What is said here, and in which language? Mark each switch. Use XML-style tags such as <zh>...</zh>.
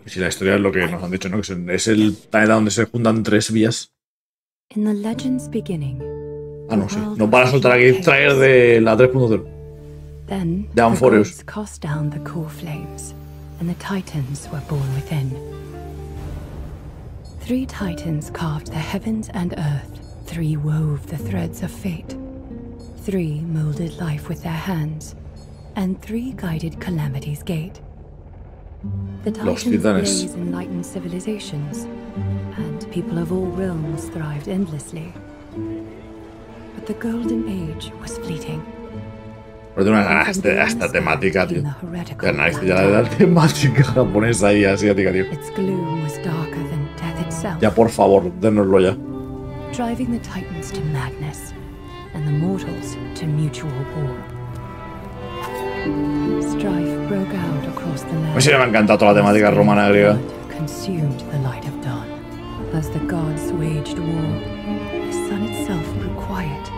<es>Si la historia es lo que nos han dicho, ¿no? Que es el planeta donde se juntan tres vías.</es> <en>In the legend's beginning.</en> <es>Ah, no sé. Nos van a soltar aquí traer de la 3.0.</es> <en>Then</en> <es>de Amphorius.</es> <en>The cast down the core flames, and the titans were born within. Three titans carved the heavens and earth. Three wove the threads of fate. Three molded life with their hands. And three guided Calamity's gate. The titans enlightened civilizations. And people of all realms thrived endlessly. But the golden age was fleeting.</en> <es>Esta temática, tío. La temática japonesa y asiática, tío.</es> <en>Its gloom was darker than death itself.</en> <es>Ya, por favor, dénoslo ya.</es> <en>Driving the titans to madness and the mortals to mutual war. Strife broke out across the land.</en> <es>Pues sí, me ha encantado la temática romana griega.</es> <en>Consumed the light of dawn. As the gods waged war, the sun itself grew quiet.</en>